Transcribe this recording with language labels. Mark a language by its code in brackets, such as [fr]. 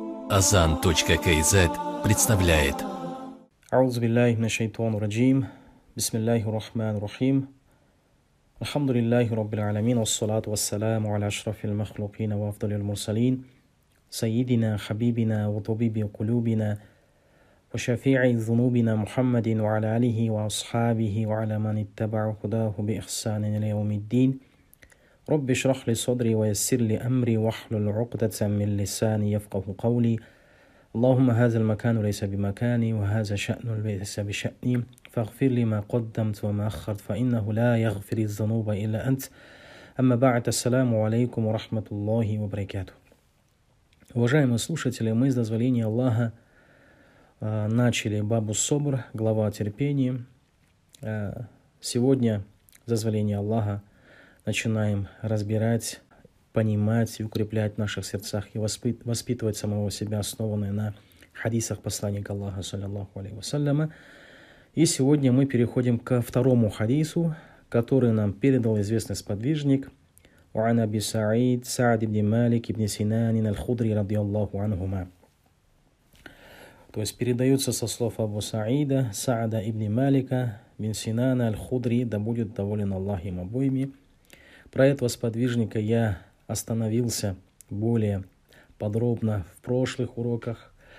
[ru] Azan.kz представляет. [ar] أعوذ بالله من الشيطان الرجيم. بسم الله الرحمن الرحيم. الحمد لله رب العالمين والصلاة والسلام على أشرف المخلوقين وأفضل المرسلين سيدنا حبيبنا وطبيب قلوبنا وشفيع ذنوبنا محمد وعلى آله وأصحابه وعلى من اتبع هداه بإحسان إلى يوم الدين. رب اشرح لي صدري ويسر لي أمري واحلل عقدة من لساني يفقه قولي. اللهم هذا المكان ليس بمكاني وهذا شأن ليس بشأني فاغفر لي ما قدمت وما أخرت فإنه لا يغفر الذنوب إلا أنت. أما بعد, السلام عليكم ورحمة الله وبركاته. [ru] Уважаемые слушатели, мы с дозволения Аллаха начали Бабу Собр, глава терпения. Сегодня, с дозволения Аллаха, начинаем разбирать, понимать и укреплять в наших сердцах и воспитывать самого себя, основанное на хадисах посланника Аллаха, саллиллаху алейхи вассаляма. И сегодня мы переходим ко второму хадису, который нам передал известный сподвижник. [ar] وعن أبي سعيد سعد بن مالك بن سنان الخضري رضي الله عنهما. [ru] То есть передается со слов Абу Саида, Саада ибн Малика, бин Синана аль-Худри, да будет доволен Аллах им обоими. Про этого сподвижника я остановился более подробно в прошлых уроках.